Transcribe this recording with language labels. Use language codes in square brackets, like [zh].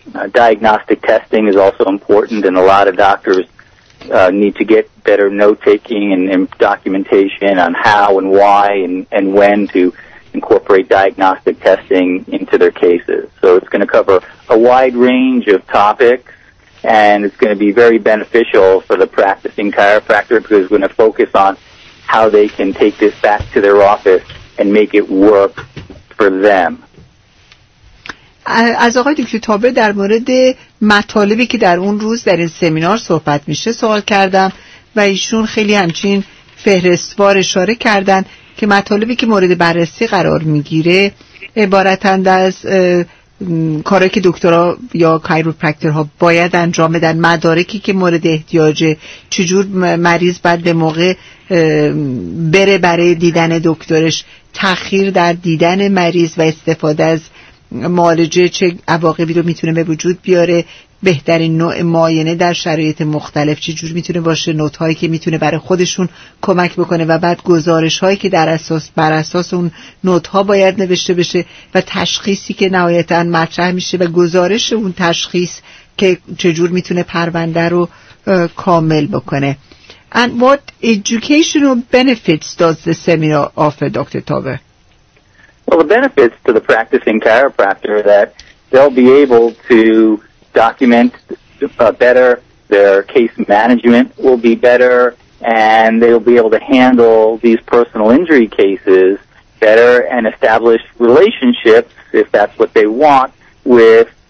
[en] Diagnostic testing is also important, and a lot of doctors need to get better note-taking and documentation on how and why and when to incorporate diagnostic testing into their cases. So it's going to cover a wide range of topics, and it's going to be very beneficial for the practicing chiropractor because we're going to focus on how they can take this back to their office and make it work for them. [fa] از آقای دکتر تابر در مورد مطالبی که در اون روز در این سمینار صحبت میشه سوال کردم و ایشون خیلی همچین فهرستوار اشاره کردن که مطالبی که مورد بررسی قرار میگیره عبارتند از کارهایی که دکترها یا کایروپرکترها باید انجام بدن، مدارکی که مورد احتیاجه، چجور مریض باید به موقع بره برای دیدن دکترش، تأخیر در دیدن مریض و استفاده از معالجه چه عواقبی رو میتونه به وجود بیاره، بهترین نوع معاینه در شرایط مختلف چه جور میتونه باشه، نوت هایی که میتونه برای خودشون کمک بکنه و بعد گزارش هایی که بر اساس اون نوت ها باید نوشته بشه و تشخیصی که نهایتاً مطرح میشه و گزارش اون تشخیص که چه جور میتونه پرونده رو کامل بکنه. [en] And what educational benefits does the seminar offer, Dr. Tobe? Well, the benefits to the practicing chiropractor that they'll be able to document better, their case management will be better, and they'll be able to handle these personal injury cases better and establish relationships, if that's what they want, with